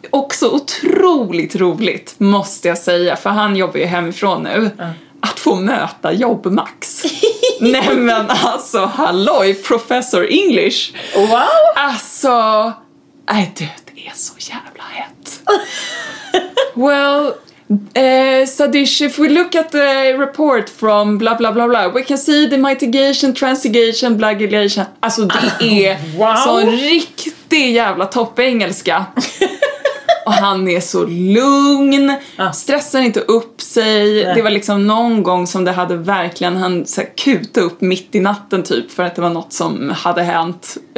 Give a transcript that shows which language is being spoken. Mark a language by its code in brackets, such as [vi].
[sv] Också otroligt roligt, måste jag säga. För han jobbar ju hemifrån nu. Mm. Att få möta jobb Max. Nej men alltså, halloj, professor English. Wow. Alltså, nej du, det är så jävla hett. [en] Well... Sadish, if we look at the report from blah blah blah blah, we can see the mitigation, transigation, blagulation. [sv] Alltså det är så riktig jävla toppengelska. Och han är så lugn, stressar inte upp sig. Nej. Det var liksom någon gång som det hade verkligen, han så här kuta upp mitt i natten typ, för att det var något som hade hänt.